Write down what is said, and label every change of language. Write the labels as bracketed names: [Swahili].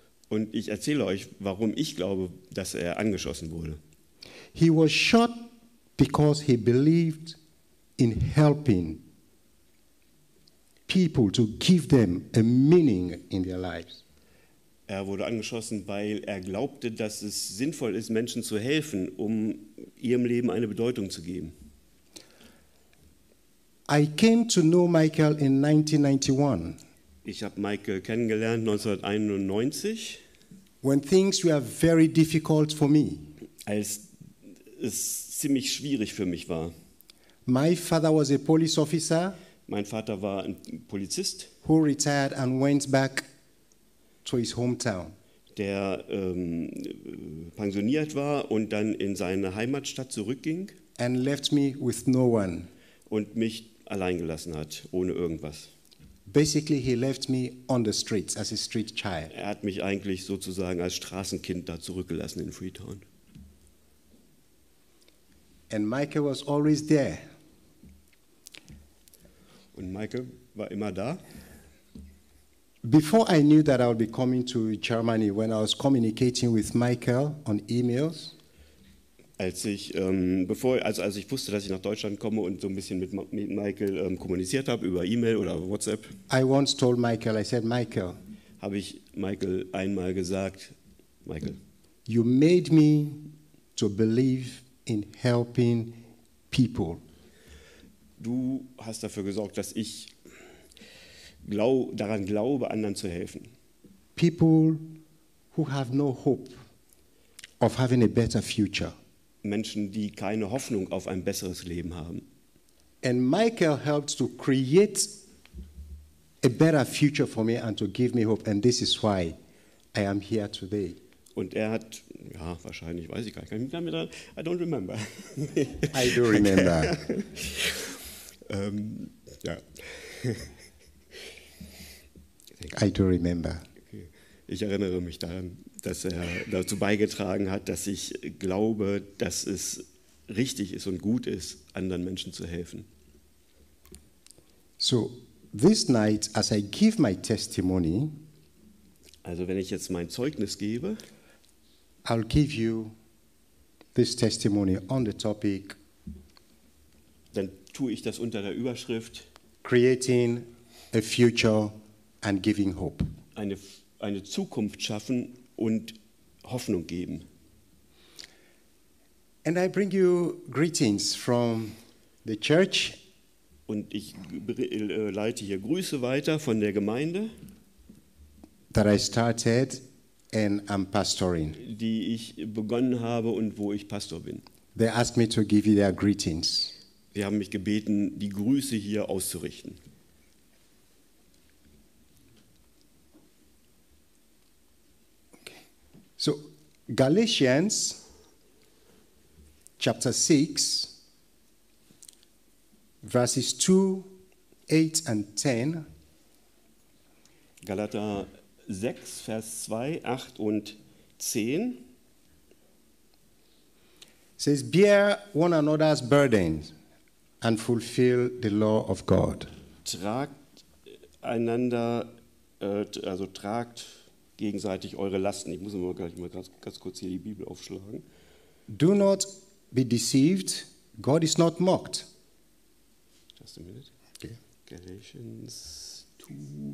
[German] Und ich erzähle euch, warum ich glaube, dass er angeschossen wurde. [English] He was shot because he believed in helping people to give them a meaning in their lives. [German] Er wurde angeschossen, weil er glaubte, dass es sinnvoll ist, Menschen zu helfen, um ihrem Leben eine Bedeutung zu geben. [English] I came to know Michael in 1991. [German] Ich habe Michael kennengelernt 1991. [English] When things were very difficult for me. [German] als es ziemlich schwierig für mich war. [English] My father was a police officer. [German] Mein Vater war ein Polizist. [English] Who retired and went back to his hometown. [German] Der pensioniert war und dann in seine Heimatstadt zurückging. [English] And left me with no one. [German] Und mich allein gelassen hat, ohne irgendwas. [English] Basically, he left me on the streets as a street child. [German] Er hat mich eigentlich sozusagen als Straßenkind da zurückgelassen in Freetown. [English] And Michael was always there. [German] Und Michael war immer da. [English] Before I knew that I would be coming to Germany, when I was communicating with Michael on emails. [German] Als ich wusste, dass ich nach Deutschland komme und so ein bisschen mit Michael kommuniziert habe über E-Mail oder WhatsApp. [English] I once told Michael, I said, Michael. [German] Habe ich Michael einmal gesagt, Michael. [English] You made me to believe in helping people. [German] Du hast dafür gesorgt, dass ich daran glaube, anderen zu helfen. [English] People who have no hope of having a better future. [German] Menschen, die keine Hoffnung auf ein besseres Leben haben. [English] And Michael helped to create a better future for me and to give me hope. And this is why I am here today. [German] Und er hat, ja, wahrscheinlich, weiß ich gar nicht, kann ich mich daran, [English] I don't remember. I do remember. [German] ja. [English] I do remember. [German] Ich erinnere mich daran, dass er dazu beigetragen hat, dass ich glaube, dass es richtig ist und gut ist, anderen Menschen zu helfen. [English] So, this night, as I give my testimony, [German] also wenn ich jetzt mein Zeugnis gebe, [English] I'll give you this testimony on the topic, [German] dann tue ich das unter der Überschrift [English] Creating a Future and Giving Hope. [German] Eine Zukunft schaffen und Hoffnung geben. [English] And I bring you greetings from the church. [German] Und ich leite hier Grüße weiter von der Gemeinde, [English] that I started and I'm pastoring. [German] Die ich begonnen habe und wo ich Pastor bin. [English] They asked me to give you their greetings. [German] Sie haben mich gebeten, die Grüße hier auszurichten. [English] So, Galatians chapter 6, verses 2, 8 and 10. [German] Galater 6, Vers 2, 8 und 10. [English] Says, bear one another's burdens and fulfill the law of God. [German] Tragt gegenseitig eure Lasten. Ich muss mal gleich mal ganz kurz hier die Bibel aufschlagen. [English] Do not be deceived. God is not mocked. Just a minute. Okay. Galatians 2.